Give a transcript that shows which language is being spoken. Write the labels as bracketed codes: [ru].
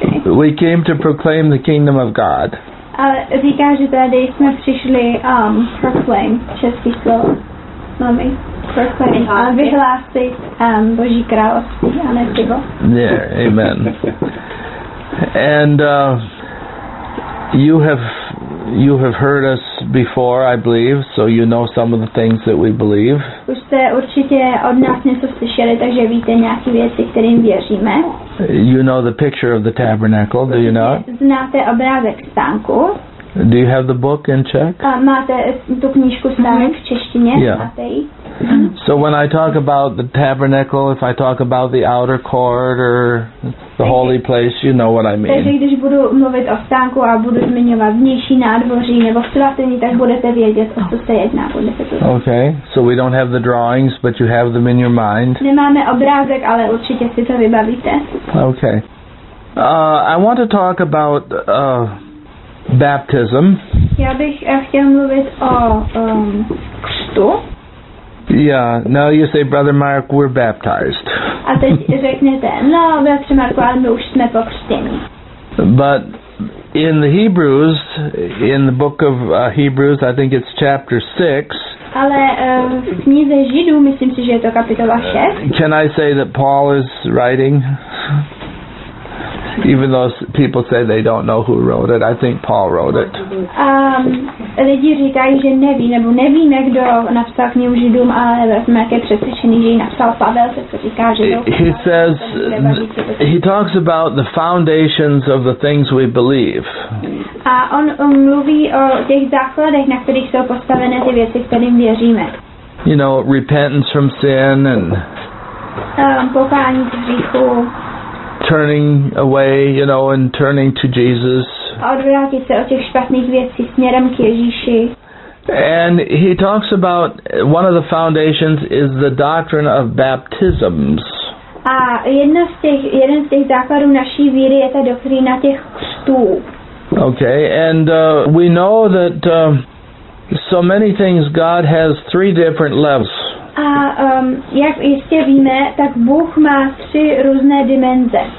[en] We came to proclaim the kingdom of God. [cs] Říká, že tady jsme přišli proclaim český slovo. Mami, proclaim, vyhlásit Boží království a ne pivo. [en] Yeah, amen. And you have heard us before, I believe, so you know some of the things that we believe. [cs] Už jste určitě od nás něco slyšeli, takže víte nějaké věci, kterým věříme. [en] You know the picture of the tabernacle, do you not? [cs] Znáte obrázek stánku. [en] Do you have the book in Czech? [cs] Máte tu knížku stánek v češtině? [en] Yeah. So when I talk about the tabernacle, if I talk about the outer court or the holy place, you know what I mean. [cs] Takže když budu mluvit o stánku a budu zmiňovat vnější nádvoří nebo svatyni, tak budete vědět, o co se jedná. [en] Okay, so we don't have the drawings, but you have them in your mind. [cs] Nemáme obrázek, ale určitě si to vybavíte. [en] Okay. I want to talk about baptism. [cs] Já bych chtěl mluvit o křtu. [en] Yeah, now you say, Brother Mark, we're baptized. [cs] A teď řeknete, no, Bratře Marku, ale my už jsme pokřtěni. [en] But in the Hebrews, in the book of Hebrews, I think it's chapter 6. [cs] Ale v knize Židů, myslím si, že je to kapitola 6. [en] Can I say that Paul is writing? Even though people say they don't know who wrote it, I think Paul wrote it. [cs] Lidi říkají, že neví, nebo nevíme, kdo napsal knihu Židům, ale jsme také přesvědčeni, že ji napsal Pavel, se to říká, že [en] he says, he talks about the foundations of the things we believe. [cs] A on mluví o těch základech, na kterých jsou postavené ty věci, kterým věříme. [en] You know, repentance from sin and [cs] pokání z hříchu. [en] Turning away, you know, and turning to Jesus. [cs] Odvrátit se od těch špatných věcí směrem k Ježíši. [en] And he talks about one of the foundations is the doctrine of baptisms. [cs] A jeden z těch základů naší víry je ta doktrína těch křtů. [en] Okay, and we know that so many things God has three different levels. [cs] A jak jistě víme, tak Bůh má tři různé dimenze.